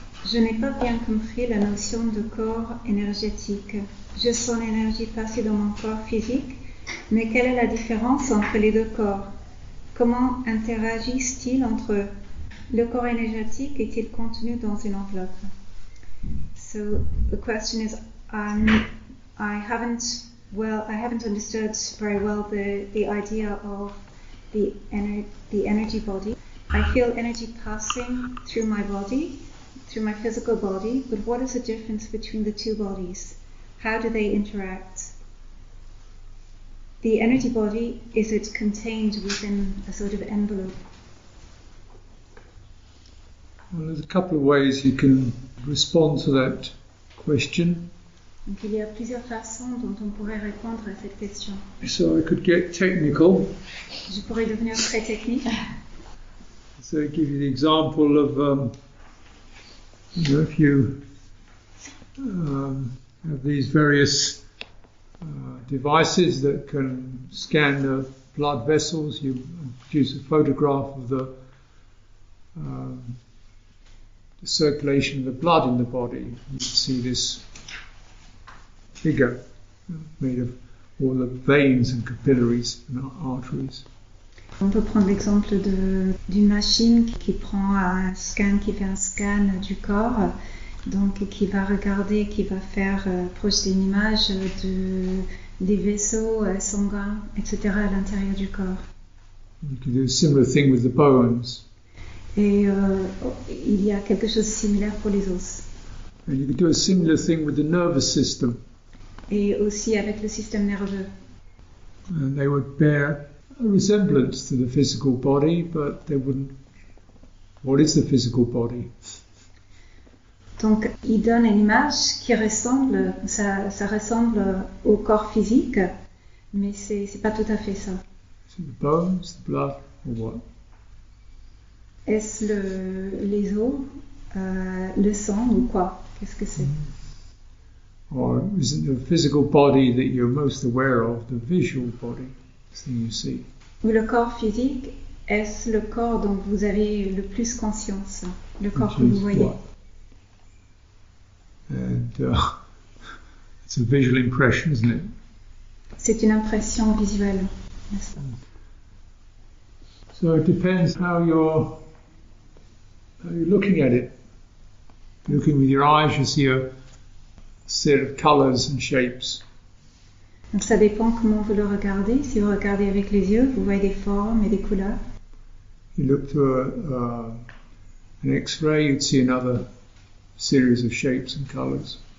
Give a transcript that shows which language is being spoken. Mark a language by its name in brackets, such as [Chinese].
[French] Je n'ai pas bien compris la notion de corps énergétique. Je sens l'énergie passer dans mon corps physique, mais quelle est la différence entre les deux corps? Comment interagissent-ils entre eux? Le corps énergétique est-il contenu dans une enveloppe? [English] So the question is, I haven't understood very well the idea of the energy body. I feel energy passing through my body, through my physical body, but what is the difference between the two bodies? How do they interact? The energy body, is it contained within a sort of envelope? Well, there's a couple of ways you can respond to that question. [French] Donc, il y a plusieurs façons dont on pourrait répondre à cette question. [English] So I could get technical. [French] Je pourrais devenir très technique. [English] So I give you the example of if you have these various devices that can scan the blood vessels, you produce a photograph of the circulation of the blood in the body. You see this figure made of all the veins and capillaries and arteries. [French] On peut prendre l'exemple d'une machine qui prend un scan, qui fait un scan du corps, donc qui va regarder, qui va faire projeter une image des vaisseaux sanguins, etc. à l'intérieur du corps. [English] You can do a similar thing with the bones. [French] Et il y a quelque chose de similaire pour les os. [English] And you can do a similar thing with the nervous system. [French] Et aussi avec le système nerveux. [English] And they would bear a resemblance to the physical body, but they wouldn't. What is the physical body? [French] Donc, il donne une image qui ressemble, ça ressemble au corps physique, mais c'est pas tout à fait ça. [English] So the bones, the blood, or what? [French] Est-ce les os, le sang ou quoi? Qu'est-ce que c'est? [English] Or is it the physical body that you're most aware of, the visual body, the thing you see? [French] Ou le corps physique, est-ce le corps dont vous avez le plus conscience, le corps que vous voyez? [English] And it's a visual impression, isn't it? [French] C'est une impression visuelle, n'est-ce pas? [English] So it depends how you're looking at it. Looking with your eyes, you see a set of colors and shapes. [French] Donc ça dépend comment vous le regardez. Si vous regardez avec les yeux, vous voyez des formes et des couleurs. [English] You look through an X-ray, you'd see another series of shapes and colors.